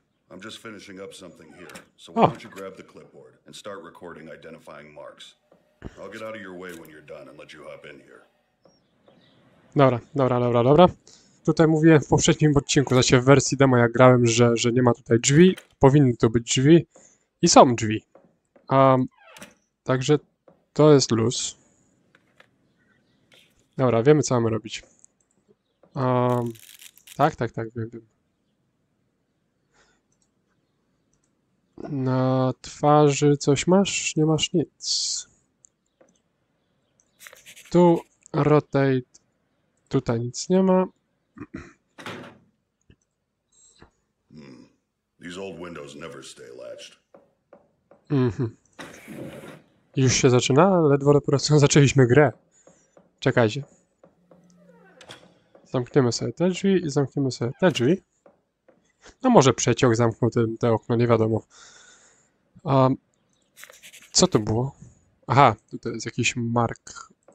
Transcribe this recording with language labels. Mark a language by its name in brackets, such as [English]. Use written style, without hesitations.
[English] I'm just finishing up something here, so why don't you grab the clipboard and start recording identifying marks. I'll get out of your way when you're done and let you hop in here. [Polish] Dobra, dobra, dobra, dobra. Tutaj mówiłem w poprzednim odcinku, znaczy w wersji demo jak grałem, że nie ma tutaj drzwi. Powinny tu być drzwi. I są drzwi. Także to jest luz. Dobra, wiemy co mamy robić. Tak, tak, tak, wiem, wiem. Na twarzy coś masz? Nie masz nic. Tu rotate. Tutaj nic nie ma. [English] These old windows never stay latched. [Polish] Już się zaczyna? Ledwo dopiero zaczęliśmy grę. Czekajcie. Zamkniemy sobie te drzwi i zamkniemy sobie te drzwi. No może przeciąg zamknął te okno, nie wiadomo. Co to było? Aha, tutaj jest jakiś mark.